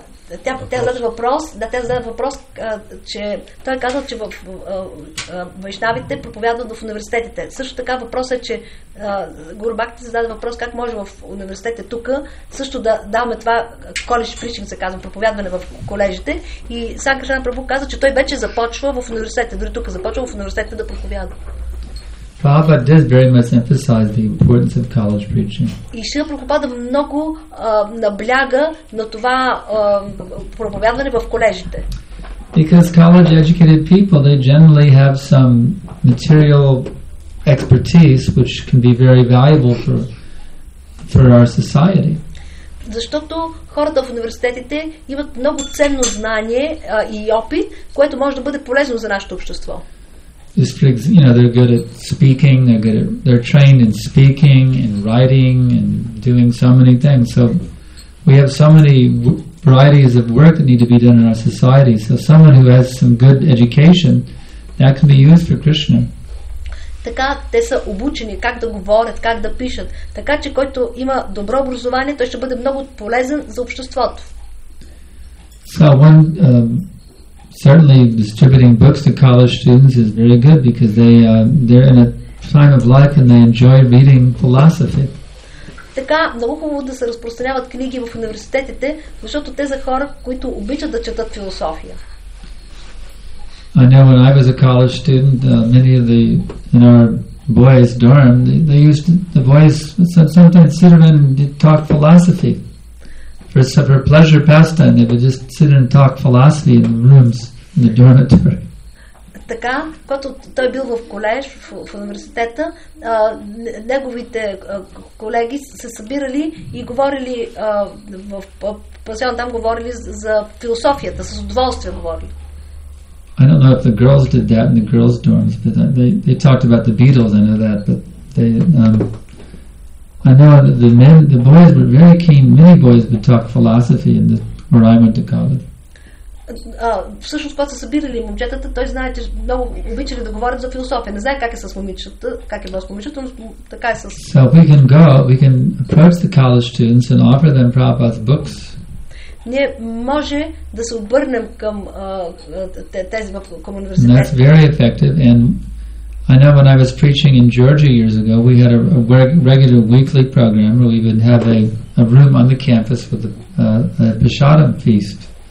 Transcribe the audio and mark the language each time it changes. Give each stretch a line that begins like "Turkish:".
Bulgarian: Така, тя зададе въпрос, че той казал, че вайшнавите проповядват в университетите. Също така въпрос е, че Гурбахти зададе въпрос, как може в университетите тук също да даваме това колеж причин, се казва, проповядване в колежите. И Санка Шана Прабу каза, че той вече започва в университетите, дори тук започва в университетите да проповядва.
English: Prabhupada did very much emphasize the importance of college preaching.
Bulgarian: И Шрила Прабхупада много набляга на това проповядване в колежите.
English: Because college educated people, they generally have some material expertise which can be very valuable for our society.
Bulgarian: Защото хората в университетите имат много ценно знание и опит, което може да бъде полезно за нашето общество.
English: They're good at speaking, they're trained in speaking and writing and doing so many things. So we have so many varieties of work that need to be done in our society. So someone who has some good education, that can be used for Krishna.
Bulgarian: Така, те са обучени как да говорят, как да пишат. Така че който има добро образование, той ще бъде много полезен за обществото.
English: So one certainly distributing books to college students is very good because they're in a time of life and they enjoy reading philosophy.
Bulgarian: Така, много хубаво да се разпространяват книги в университетите, защото те са хора, които обичат да четат философия.
English: I know when I was a college student, many of the in our boys' dorm, they used to, the boys sometimes sit around and talk philosophy for pleasure pastime. They would just sit and talk philosophy in the rooms in the dormitory.
Bulgarian: Така, когато той бил в колеж, в университета, неговите колеги се събирали и говорили в пансион, там говорили за философията, с удоволствие говорили.
English: I don't know if the girls did that in the girls' dorms, but they talked about the Beatles, I know that, but they, I know that the men, the boys were very keen, many boys would talk philosophy in the, where I went to college.
Bulgarian: Всъщност, когато са събирали момчетата, той знае, че много обичали да говорят за философия. Не знае как е с момичетата, как е бил с момичетата, но така е с...
English: So we can go, we can approach the college students and offer them Prabhupada's books.
Bulgarian: Ние може да се обърнем към тези към университета.
English: That's very effective, and I know when I was preaching in Georgia years ago, we had a regular weekly program where we would have a room on the campus for the Bishadam feast.